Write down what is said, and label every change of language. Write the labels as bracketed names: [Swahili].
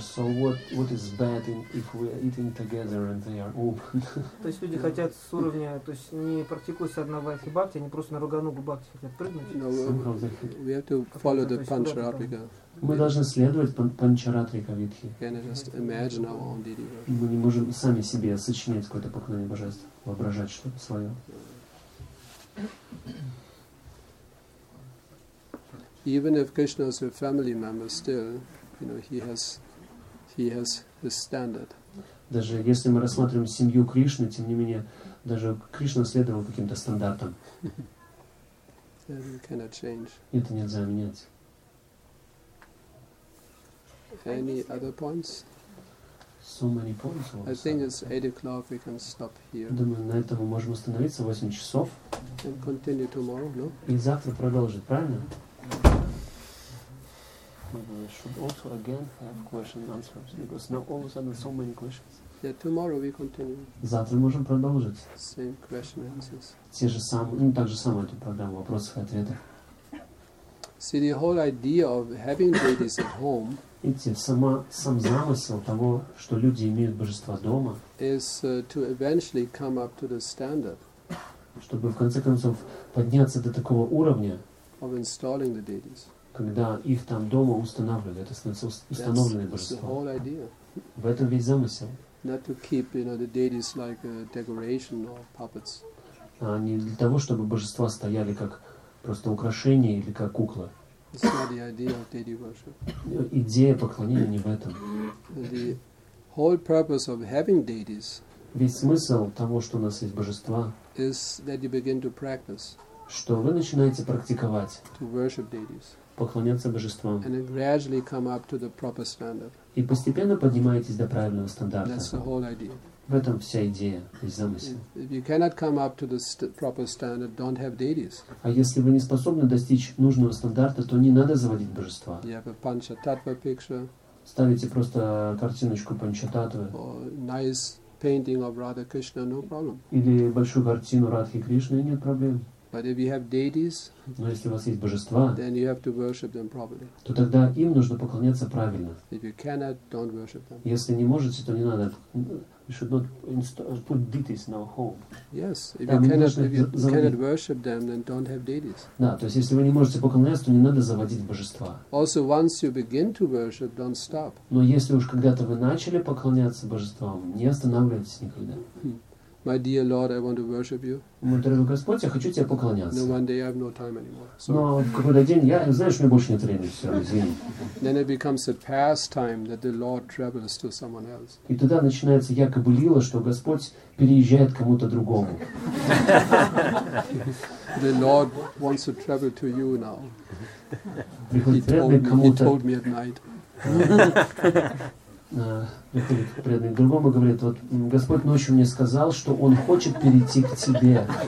[English] So what is bad in, if we are eating together and they are open? [Russian] То есть люди хотят с уровня, то есть не практикуют одного бхакти, они просто на Рогануга бхакти хотят прыгнуть. [English] We have to follow the Pancharatrika. [Russian] Мы должны следовать Панчаратрика Витхи. Мы не можем сами себе сочинять какое-то поклонение божеству, воображать что-то свое. [English] Even if Krishna is a family member, still, you know, he has his standard. [Russian] Даже если мы рассматриваем семью Кришны, тем не менее, даже Кришна следовал каким-то стандартам. Это нельзя менять. [English] Any other points? So many points. I think it's 8 o'clock. We can stop here. [Russian] Думаю, на этом мы можем остановиться. 8 часов. [English] And continue tomorrow, no? [Russian] И завтра продолжить, правильно? [English] Maybe we should also again have question answers because now all of a sudden so many questions. Yeah, tomorrow we continue. [Russian] Завтра можем продолжить. [English] Same question answers. [Russian] Те же самые, ну так же самое эту программу вопросов и ответов. [English] See the whole idea of having deities at home. [Russian] Видите, сам замысел того, что люди имеют божества дома, [English] is, to eventually come up to the standard, [Russian] чтобы в конце концов подняться до такого уровня, [English] of installing the deities. [Russian] Когда их там дома устанавливали, это становится установленное божество. [English] That's the whole idea. [Russian] В этом весь замысел. [English] Not to keep, you know, the deities like a decoration or puppets. [Russian] А не для того, чтобы божества стояли как просто украшение или как кукла. [English] It's not the idea of deity worship. [Russian] Идея поклонения не в этом. [English] The whole purpose of having deities. [Russian] Весь смысл того, что у нас есть божества, [English] is that you begin to practice. [Russian] Что вы начинаете практиковать. [English] To worship deities. [Russian] Поклоняться божествам. [English] And then gradually come up to the proper standard. [Russian] И постепенно поднимаетесь до правильного стандарта. [English] That's the whole idea. [Russian] В этом вся идея и замысел. [English] If you cannot come up to the proper standard, don't have deities. [Russian] А если вы не способны достичь нужного стандарта, то не надо заводить божества. [English] You have a Panchatattva picture. [Russian] Ставите просто картиночку Панчататвы. [English] Or nice painting of Radha Krishna, no problem. [Russian] Или большую картину Радхи Кришны, нет проблем. [English] But if you have deities, [Russian] но если у вас есть божества, [English] then you have to worship them properly. [Russian] То тогда им нужно поклоняться правильно. [English] If you cannot, don't worship them. [Russian] Если не можете, то не надо. [English] You should not put deities in our home. Yes, if you cannot, worship them, then don't have deities. [Russian] Да, то есть если вы не можете поклоняться, то не надо заводить божества. [English] Also, once you begin to worship, don't stop. [Russian] Но если уж когда-то вы начали поклоняться божествам, не останавливайтесь никогда. [English] My dear Lord, I want to worship you. [Russian] Мой дорогой Господь, я хочу тебя поклоняться. [English] No, one day I have no time anymore. So. [Russian] Но в какой-то день я, знаешь, у меня больше нет времени, все, извини. [English] Then it becomes a pastime that the Lord travels to someone else. [Russian] И тогда начинается якобы лила, что Господь переезжает кому-то другому. [English] The Lord wants to travel to you now. [Russian] Приходит преданный кому-то. [English] He told me at night. [Russian] Преданный другому говорит, вот Господь ночью мне сказал, что Он хочет перейти к тебе.